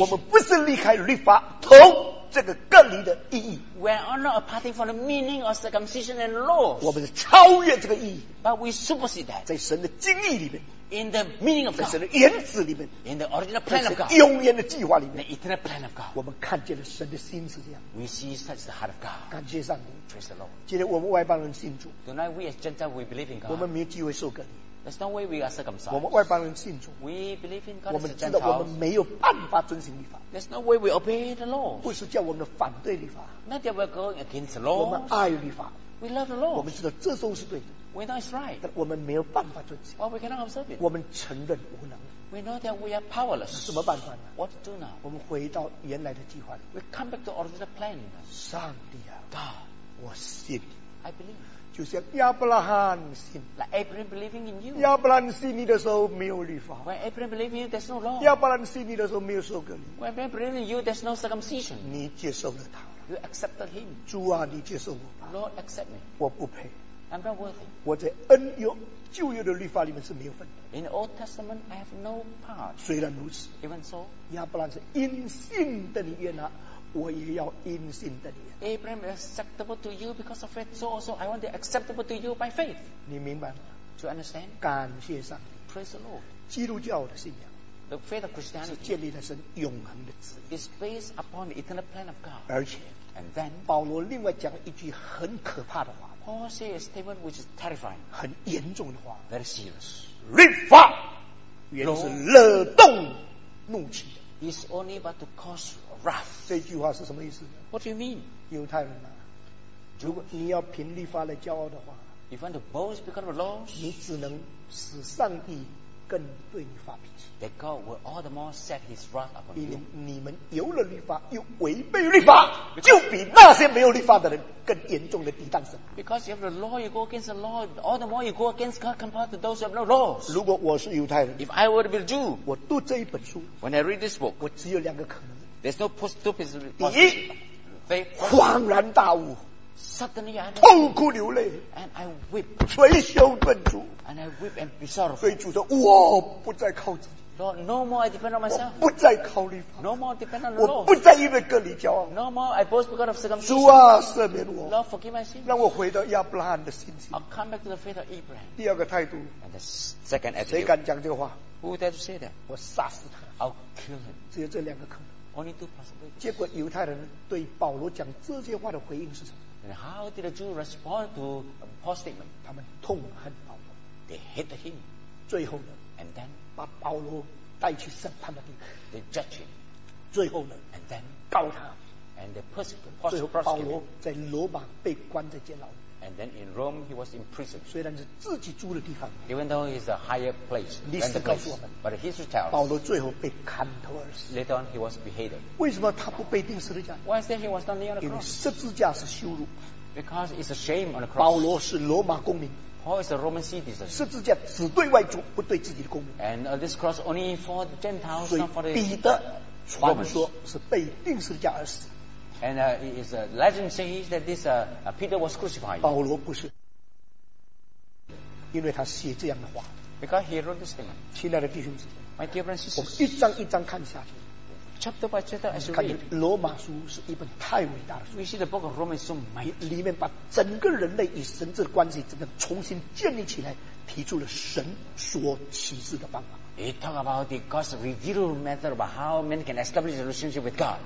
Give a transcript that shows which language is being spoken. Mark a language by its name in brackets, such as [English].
[Chinese] 我们不是离开律法同这个割礼的意义 [English] We are not apart from the meaning of circumcision and law. [Chinese] 我们是超越这个意义 [English] But we supersede that. [Chinese] 在神的经义里面 [English] In the meaning of God. [Chinese] 在神的原子里面 [English] In the original plan of God. [Chinese] 在永远的计划里面 [English] The eternal plan of God. [Chinese] 我们看见了神的心是这样 [English] We see such the heart of God. [Chinese] 感谢上帝 [English] Praise the Lord. [Chinese] 今天我们外邦人信主 [English] Tonight we as Gentiles we believe in God. [Chinese] 我们没有机会受割礼 [English] That's not why we are circumcised. [Chinese] 我们外邦人信主。 [English] We believe in God as a Gentile. [Chinese] 我们知道我们没有办法遵行律法。 [English] That's not why we obey the law. [Chinese] 不是叫我们反对律法。 [English] Not that we're going against the law. [Chinese] 我们爱律法。 [English] We love the law. [Chinese] 我们知道这都是对的。 [English] We know it's right. [Chinese] 但我们没有办法遵行。 [English] Well, we cannot observe it. [Chinese] 我们承认无能。 [English] We know that we are powerless. [Chinese] 什么办法呢？ [English] What to do now? [Chinese] 我们回到原来的计划里。 [English] We come back to original plan. [Chinese] 上帝啊。 [English] God. [Chinese] 我信。 [English] I believe. [Chinese] 就像亚伯拉罕信 [English] like Abraham believing in you. [Chinese] 亚伯拉罕信你的时候没有律法。 [English] When Abraham believed in you, there's no law. [Chinese] 亚伯拉罕信你的时候没有受割礼。 [English] When Abraham believed in you, there's no circumcision. [Chinese] 你接受了他。 [English] You accepted him. [Chinese] 主啊，你接受我吧。 [English] Lord, accept me. [Chinese] 我不配。 [English] I'm not worthy. [Chinese] 我在恩有旧约的律法里面是没有份的。 [English] In the Old Testament, I have no part. [Chinese] 虽然如此 [English] ，Even so, [Chinese] 亚伯拉罕是因信的里面呢。我也要因信的你。 [English] Abraham is acceptable to you because of faith. So also, I want to be acceptable to you by faith. [Chinese] 你明白吗 [English] ？To understand. [Chinese] 感谢上帝。 [English] Praise the Lord. [Chinese] 基督教的信仰。 [English] The faith of Christianity. [Chinese] 是建立在神永恒的旨意。 [English] Is based upon the eternal plan of God. [Chinese] 而且 [English] ，And then. [Chinese] 保罗另外讲了一句很可怕的话。 [English] Paul says a statement which is terrifying. [Chinese] 很严重的话。 [English] Very serious. [Chinese] 律法原是惹动怒气。 [English] Is only but to cause wrath. [Chinese] 这句话是什么意思？ [English] What do you mean? [Chinese] 犹太人啊，如果你要凭律法来骄傲的话， [English] If you want to boast because of the law, [Chinese] 你只能使上帝更对你发脾气。 [English] That God will all the more set his wrath upon you. [Chinese] 你们有了律法又违背律法，就比那些没有律法的人更严重的抵挡神。 [English] Because you have the law, you go against the law. All the more you go against God compared to those who have no laws. [Chinese] 如果我是犹太人， [English] If I were to be a Jew, [Chinese] 我读这一本书， [English] When I read this book, [Chinese] 我只有两个可能。 [English] There's no possibility. [Chinese] 第一， [English] They [Chinese] 恍然大悟。 [English] Suddenly, I [Chinese] 痛哭流泪 [English] ，and I weep. [Chinese] 捶胸顿足 [English] ，and I weep and be sorrowful. [Chinese] 对主说，我不再靠自己 [English] ，Lord, no more I depend on myself. [Chinese] 不再靠律法 [English] ，no more depend on the law. [Chinese] 我不再因为割礼骄傲 [English] ，no more I boast because of circumcision. [Chinese] 主啊，赦免我 [English] ，Lord, forgive my sin. [Chinese] 让我回到亚伯拉罕的心情 [English] ，I'll come back to the faith of Abraham. [Chinese] 第二个态度 [English] ，and the second attitude. [Chinese] 谁敢讲这个话 [English] ？Who dare to say that? [Chinese] 我杀死他 [English] ，I'll kill him. [Chinese] 只有这两个可能 [English] ，only two possibilities. [Chinese] 结果犹太人对保罗讲这些话的回应是什么？ [English] And how did the Jew respond to Paul's statement? [Chinese] 他们痛恨保罗。 [English] They hated him. [Chinese] 最后呢 [English] ？And then, [Chinese] 把保罗带去审判的地方。 [English] They judged him. [Chinese] 最后呢 [English] ？And then, [Chinese] 告他。 [English] And they persecuted him. [Chinese] 最后保罗在罗马被关在监牢。 [English] And then in Rome he was imprisoned. [Chinese] 虽然是自己住的地方。 [English] Even though he's a higher place. [Chinese] 历史告诉我们。 [English] But history tells. [Chinese] 保罗最后被砍头而死。 [English] Later on he was beheaded. [Chinese] 为什么他不被钉十字架 [English] ？Why is that he was not nailed on the cross? [Chinese] 因为十字架是羞辱。 [English] Because it's a shame on the cross. [Chinese] 保罗是罗马公民。 [English] Paul is a Roman citizen. [Chinese] 十字架只对外族，不对自己的公民。 [English] And this cross only for the Gentiles, not for the [Chinese] Romans. 彼得传说是被钉十字架而死。 [English] And his legend says that this Peter was crucified. [Chinese] 保罗不是，因为他写这样的话。 [English] Because he wrote this thing. [Chinese] 亲爱的弟兄姊妹 [English] ，My dear friends, [Chinese] 我们一章一章看下去。 [English] Chapter by chapter, as you read. [Chinese] 看见罗马书是一本太伟大的书。 [English] We see the book of Romans so mighty. [Chinese] 里面把整个人类与神之关系整个重新建立起来，提出了神所启示的方法。 [English] He talk about the God's revealed method about how men can establish a relationship with God.